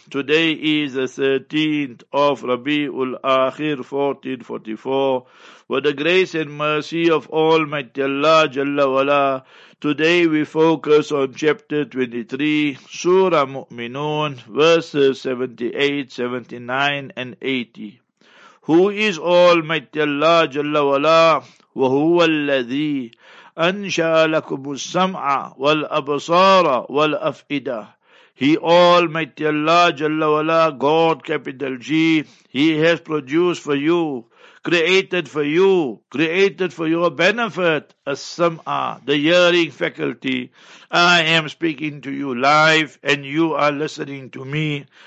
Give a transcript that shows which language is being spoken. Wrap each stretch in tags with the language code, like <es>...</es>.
<en>Today is the 13th of Rabi'ul Akhir, 1444. With the grace and mercy of Almighty Allah Jalla Wala, today we focus on chapter 23, Surah Mu'minun, verses 78, 79 and 80. Who is Almighty Allah Jalla Wala?</en> <ar>وهو الذي أنشأ لكم السمع والأبصار والأفئدة.</ar> <en>He Almighty Allah Jalla Wala, God capital G, He has produced for you, created for your benefit, as-sam'a, the hearing faculty. I am speaking to you live and you are listening to me.</en>